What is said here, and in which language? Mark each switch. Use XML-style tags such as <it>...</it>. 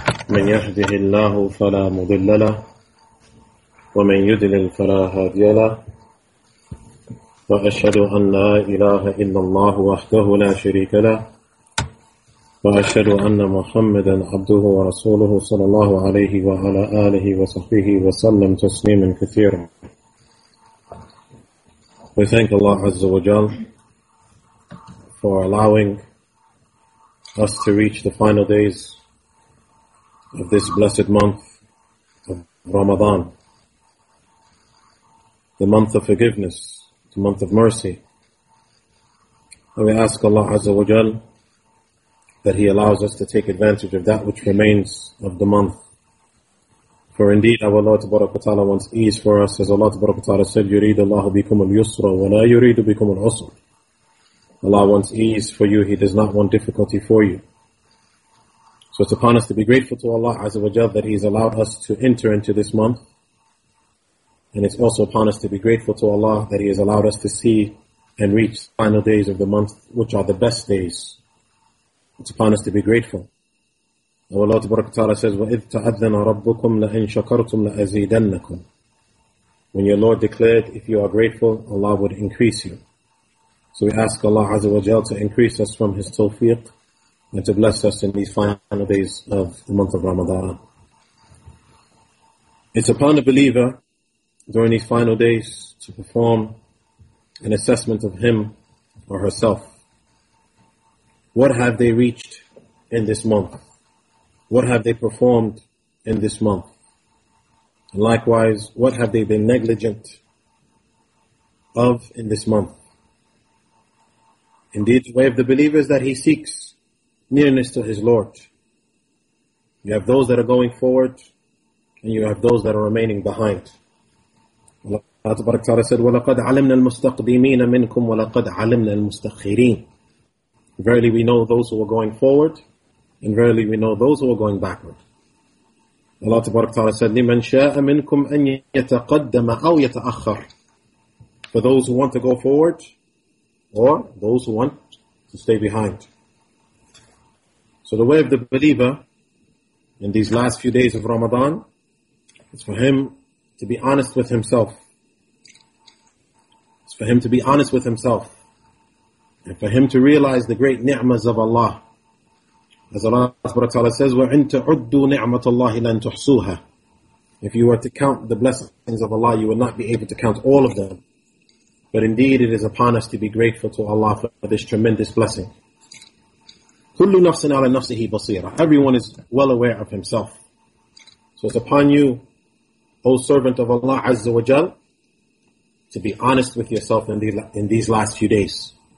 <ar>من يهده الله فلا مضل له ومن يضلل فلا هادي له وأشهد أن لا إله إلا الله وحده لا شريك له وأشهد أن محمدا عبده ورسوله صلى الله عليه وعلى آله وصحبه وسلم تسليما كثيرا.</ar> <en>We thank Allah Azza wa Jal for allowing us to reach the final days of this blessed month of Ramadan, the month of forgiveness, the month of mercy. And we ask Allah Azza wa Jal that He allows us to take advantage of that which remains of the month. For indeed, our Lord Tabaraka Ta'ala wants ease for us, as Allah Tabaraka Ta'ala said,</en> <ar>يُرِيدُ اللَّهُ بِكُمُ الْيُسْرَ وَلَا يُرِيدُ بِكُمُ الْعُسْرَ.</ar> <en>Allah wants ease for you, He does not want difficulty for you. So it's upon us to be grateful to Allah Azza wa Jal that He's allowed us to enter into this month. And it's also upon us to be grateful to Allah that He has allowed us to see and reach the final days of the month, which are the best days. It's upon us to be grateful. Our Lord Baraka Ta'ala says,</en> <ar>وَإِذْ تَعَذَّنَ رَبُّكُمْ لَإِنْ شَكَرْتُمْ لَأَزِيدَنَّكُمْ.</ar> <en>When your Lord declared, if you are grateful, Allah would increase you. So we ask Allah Azza wa Jal to increase us from His tawfiq and to bless us in these final days of the month of Ramadan. It's upon a believer during these final days to perform an assessment of him or herself. What have they reached in this month? What have they performed in this month? And likewise, what have they been negligent of in this month? Indeed, the way of the believer is that he seeks nearness to his Lord. You have those that are going forward, and you have those that are remaining behind. Allah Tabaraka Ta'ala said,</en> <ar>وَلَقَدْ عَلِمْنَا الْمُسْتَقْدِمِينَ مِنْكُمْ وَلَقَدْ عَلِمْنَا الْمُسْتَخِّرِينَ.</ar> <en>Verily we know those who are going forward, and verily we know those who are going backward. Allah Ta'ala said,</en> <ar>لِمَنْ شَاءَ مِنْكُمْ أَنْ يَتَقَدَّمَ أَوْ يَتَأَخَّرَ.</ar> <en>For those who want to go forward, or those who want to stay behind. So the way of the believer in these last few days of Ramadan is for him to be honest with himself. It's for him to be honest with himself. And for him to realize the great ni'mas of Allah. As Allah says,</en> <ar>وَإِنْ تَعُدُّوا نِعْمَةَ اللَّهِ لَنْ تُحْصُوهَا.</ar> <en>If you were to count the blessings of Allah, you would not be able to count all of them. But indeed, it is upon us to be grateful to Allah for this tremendous blessing.</en> <ar>كُلُّ نَفْسٍ عَلَى نَفْسِهِ بَصِيرًا.</ar> <en>Everyone is well aware of himself. So it's upon you, O servant of Allah Azza wa Jal, to be honest with yourself in these last few days.</en>